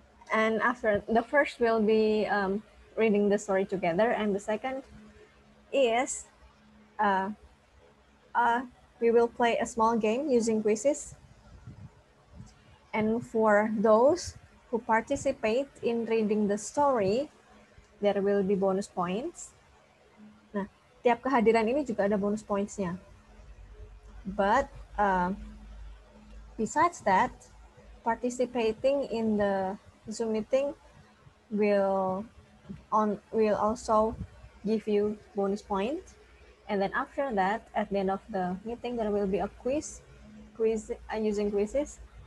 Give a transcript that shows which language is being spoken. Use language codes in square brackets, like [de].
[en] And after, the first will be reading the story together, and the second is we will play a small game using quizzes. And for those who participate in reading the story, there will be bonus points. [id] Nah, tiap kehadiran ini juga ada bonus points-nya. [en] But besides that, participating in the Zoom meeting will also give you bonus points. And then after that, at the end of the meeting, there will be a quiz using quizzes.